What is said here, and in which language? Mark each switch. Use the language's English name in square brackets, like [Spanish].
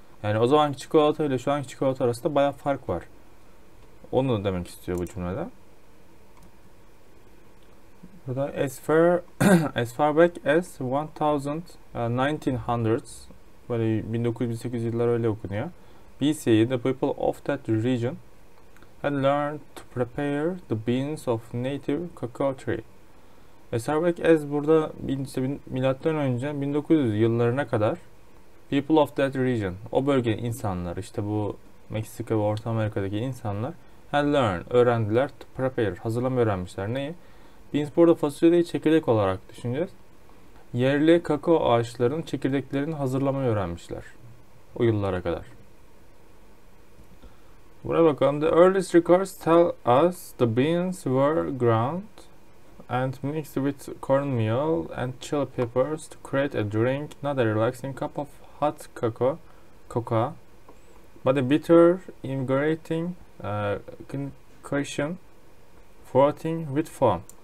[Turkish] Yani o zamanki çikolata ile şu anki çikolata arasında bayağı fark var. Onu da demek istiyor bu cümlede. Burada [English] as far back as 1900s, [Turkish] böyle 1900 yıllar öyle okunuyor. [English] BC, the people of that region had learned to prepare the beans of native cacao tree. As far back as, [Turkish] burada milattan önce 1900 yıllarına kadar [English] people of that region, [Turkish] o bölgenin insanlar, işte bu Meksika ve Orta Amerika'daki insanlar [English] had learned, [Turkish] öğrendiler, [English] to prepare, [Turkish] hazırlamayı öğrenmişler. Neyi? Beans, burada fasulyeyi çekirdek olarak düşüneceğiz. Yerli kakao ağaçlarının çekirdeklerini hazırlamayı öğrenmişler o yıllara kadar. Buraya bakalım. [English] The earliest records tell us the beans were ground and mixed with cornmeal and chili peppers to create a drink, not a relaxing cup of hot cocoa, but a bitter, invigorating concoction floating with foam.